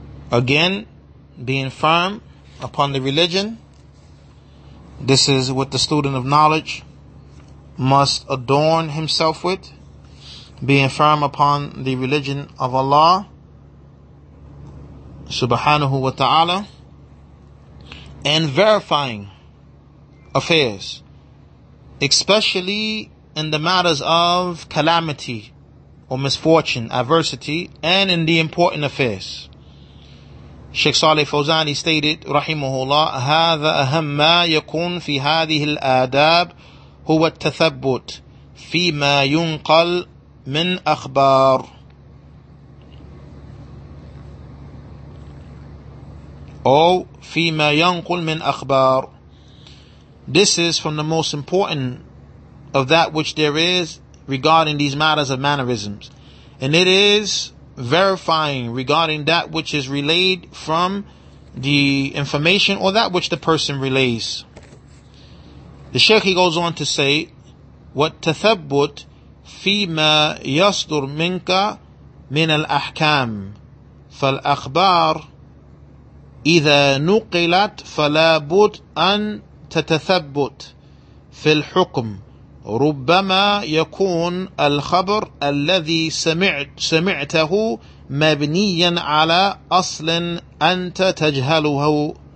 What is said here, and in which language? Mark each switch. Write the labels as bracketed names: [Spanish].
[English] Again, being firm upon the religion, this is what the student of knowledge must adorn himself with, being firm upon the religion of Allah subhanahu wa ta'ala, and verifying affairs, especially in the matters of calamity or misfortune, adversity, and in the important affairs. Sheikh Saleh Fawzani stated, Rahimahullah, [Arabic] هَذَا أَهَمَّا يَكُنْ فِي هَذِهِ الْآدَابِ هُوَ التَّثَبُّتْ فِي مَا يُنْقَلْ مِنْ أَخْبَارِ أو فِي مَا يَنْقُلْ مِنْ أَخْبَارِ. [English] This is from the most important of that which there is regarding these matters of mannerisms. And it is verifying regarding that which is relayed from the information or that which the person relays. The Sheikh, he goes on to say, [Arabic] وَالتَّثَبُّتْ فِي مَا يَصْدُرْ مِنْكَ مِنَ الْأَحْكَامِ فَالْأَخْبَارِ إِذَا نُقِلَتْ فَلَابُدْ أَن تَتَثَبُّتْ فِي الْحُكْمِ ربما يكون الخبر الذي سمعته مبنيا على أصل أنت تجهله